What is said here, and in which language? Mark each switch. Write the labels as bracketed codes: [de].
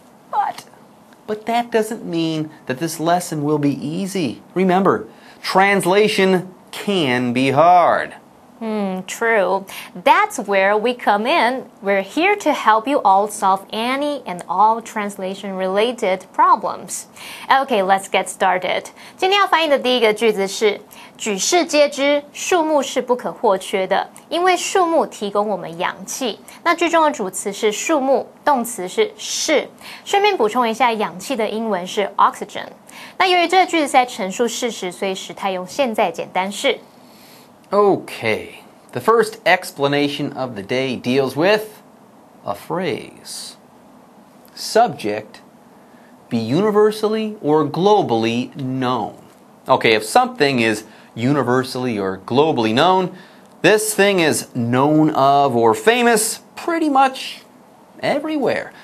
[en] But that doesn't mean that this lesson will be easy. Remember, translation can be hard. True. That's where we come in. We're here to help you all solve any and all translation-related problems. Okay, let's get started. [zh] 今天要翻译的第一个句子是举世皆知树木是不可或缺的，因为树木提供我们氧气。那句中的主词是树木，动词是。顺便补充一下，氧气的英文是 oxygen。那由于这个句子是在陈述事实，所以时态用现在简单式。 [en] Okay, the first explanation of the day deals with a phrase. Subject, be universally or globally known. Okay, if something is universally or globally known, this thing is known of or famous pretty much everywhere.